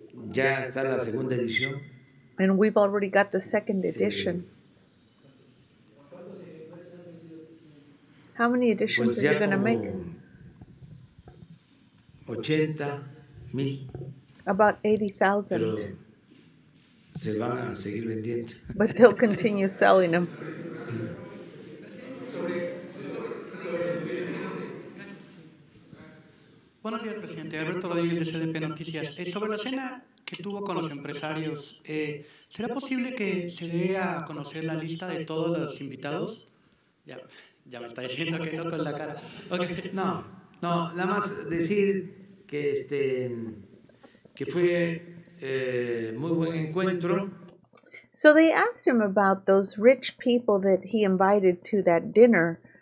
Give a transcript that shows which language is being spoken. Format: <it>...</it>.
<es>Ya está la segunda edición.</es> <en>And we've already got the second edition. How many editions are you going to make? 80,000. About 80,000.</en> <es>Se van a seguir vendiendo.</es> <en>But they'll continue selling them.</en> <es>Buenos días, presidente. Alberto Rodríguez, de CDP Noticias. Sobre la cena que tuvo con los empresarios, ¿será posible que se dé a conocer la lista de todos los invitados? Ya me está diciendo que no con la cara.</es> <en>Okay.</en> <es>No, nada más decir que que fue muy buen encuentro.</es> <en>So they asked him about those rich people that he invited to that dinner.</en>